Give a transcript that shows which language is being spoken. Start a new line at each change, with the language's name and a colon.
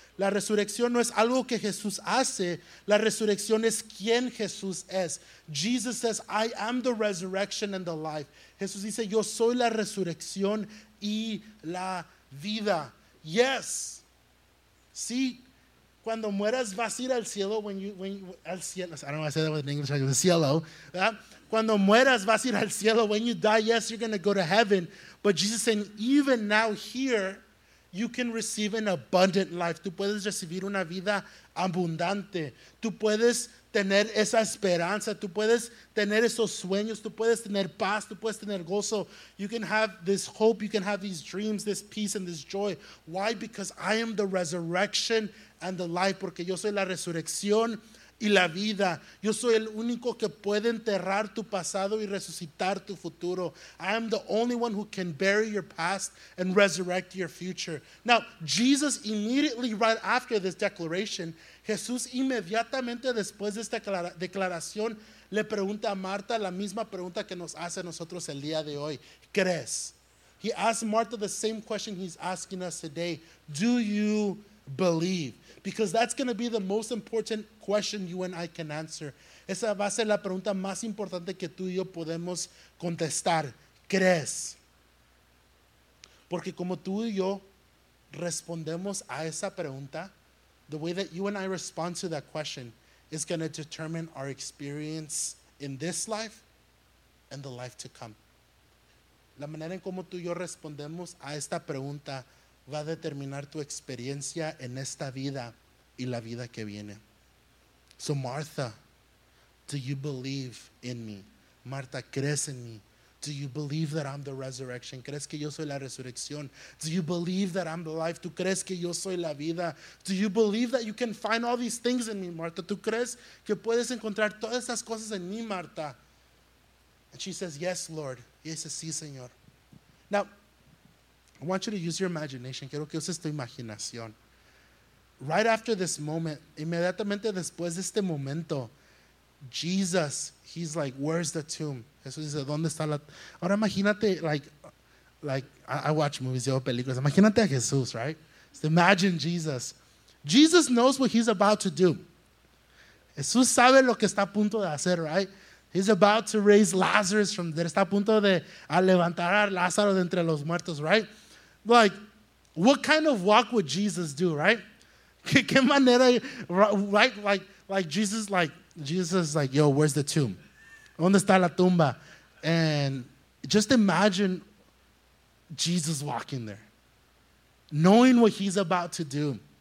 Spanish: La resurrección no es algo que Jesús hace. La resurrección es quien Jesús es.
English: Jesus says, I am the resurrection and the life.
Spanish: Jesús dice, yo soy la resurrección y la vida. Yes. Sí. Cuando mueras vas a ir al cielo. Al cielo.
English: I don't want to say that in English. Like the cielo.
Spanish: ¿Verdad? Cuando mueras vas a ir al cielo.
English: When you die, yes, you're going to go to heaven. But Jesus saying, even now here, you can receive an abundant life.
Spanish: Tú puedes recibir una vida abundante. Tú puedes tener esa esperanza. Tú puedes tener esos sueños. Tú puedes tener paz. Tú puedes tener gozo.
English: You can have this hope. You can have these dreams, this peace, and this joy. Why? Because I am the resurrection and the life.
Spanish: Porque yo soy la resurrección y la vida. Yo soy el único que puede enterrar tu pasado y resucitar tu futuro.
English: I am the only one who can bury your past and resurrect your future. Now, Jesus immediately right after this declaration,
Spanish: Jesús inmediatamente después de esta declaración, le pregunta a Marta la misma pregunta que nos hace nosotros el día de hoy. ¿Crees?
English: He asked Martha the same question he's asking us today. Do you believe? Because that's going to be the most important question you and I can answer.
Spanish: Esa va a ser la pregunta más importante que tú y yo podemos contestar. ¿Crees? Porque como tú y yo respondemos a esa pregunta,
English: the way that you and I respond to that question is going to determine our experience in this life and the life to come.
Spanish: La manera en como tú y yo respondemos a esta pregunta va a determinar tu experiencia en esta vida y la vida que viene.
English: So Martha, do you believe in me?
Spanish: Marta, ¿crees en mí?
English: Do you believe that I'm the resurrection?
Spanish: ¿Crees que yo soy la resurrección?
English: Do you believe that I'm the life?
Spanish: ¿Tú crees que yo soy la vida?
English: Do you believe that you can find all these things in me, Martha?
Spanish: ¿Tú crees que puedes encontrar todas esas cosas en mí, Marta?
English: And she says, yes, Lord.
Spanish: Y dice, sí, Señor.
English: Now, I want you to use your imagination.
Spanish: Quiero que uses tu imaginación.
English: Right after this moment,
Spanish: inmediatamente después de este momento,
English: Jesus, he's like, where's the tomb?
Spanish: Jesús dice, ¿dónde está la? Ahora imagínate,
English: like I watch movies,
Spanish: yo veo películas. Imagínate a Jesús,
English: right? Just imagine Jesus. Jesus knows what he's about to do.
Spanish: Jesús sabe lo que está a punto de hacer,
English: right? He's about to raise Lazarus from there.
Spanish: Está a punto de levantar a Lázaro de entre los muertos, right?
English: Like, what kind of walk would Jesus do, right?
Spanish: ¿Qué manera,
English: right? Like Jesus, like, Jesus is like, yo, where's the tomb?
Spanish: ¿Dónde está la tumba?
English: And just imagine Jesus walking there, knowing what he's about to do.